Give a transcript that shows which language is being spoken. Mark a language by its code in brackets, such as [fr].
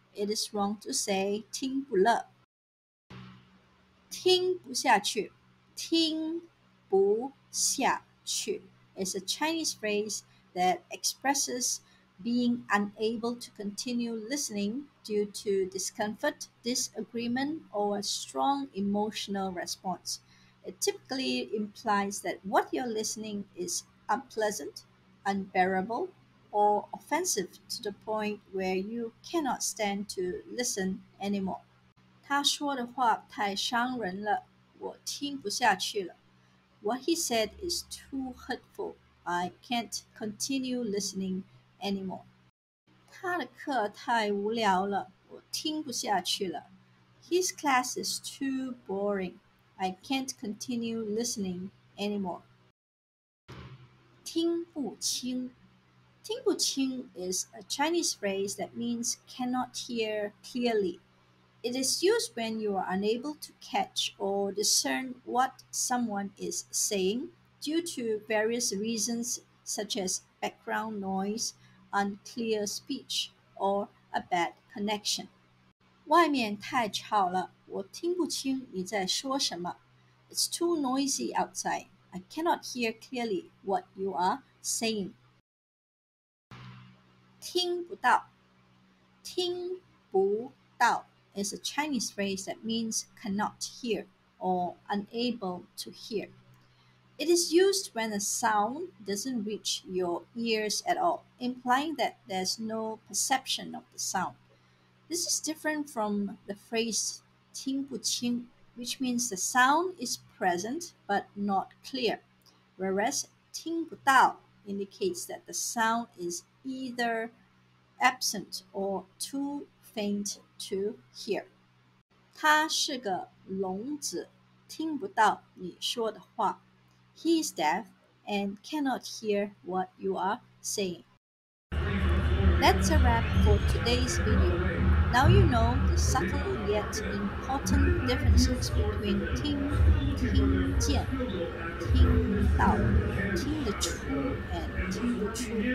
[en] It is wrong to say 听不了.听不下去, 听不下去 is a Chinese phrase that expresses being unable to continue listening due to discomfort, disagreement, or a strong emotional response. It typically implies that what you're listening is unpleasant,unbearable or offensive to the point where you cannot stand to listen anymore. [zh] 他说的话太伤人了,我听不下去了。 [en] What he said is too hurtful. I can't continue listening anymore. [zh] 他的课太无聊了,我听不下去了。 [en] His class is too boring. I can't continue listening anymore. [zh] 听不清。 [en] 听不清 is a Chinese phrase that means cannot hear clearly. It is used when you are unable to catch or discern what someone is saying due to various reasons such as background noise, unclear speech, or a bad connection. [zh] 外面太吵了,我听不清你在说什么。 [en] It's too noisy outside. I cannot hear clearly what you are saying. 听不到。听不到 is a Chinese phrase that means cannot hear or unable to hear. It is used when a sound doesn't reach your ears at all, implying that there's no perception of the sound. This is different from the phrase 听不清。 Which means the sound is present but not clear, whereas 听不到 indicates that the sound is either absent or too faint to hear. [zh] 他是个聋子，听不到你说的话。 [en] He is deaf and cannot hear what you are saying. That's a wrap for today's video. Now you know the subtle yet important differences between 听, 听见, 听到, 听得出, and 听不出.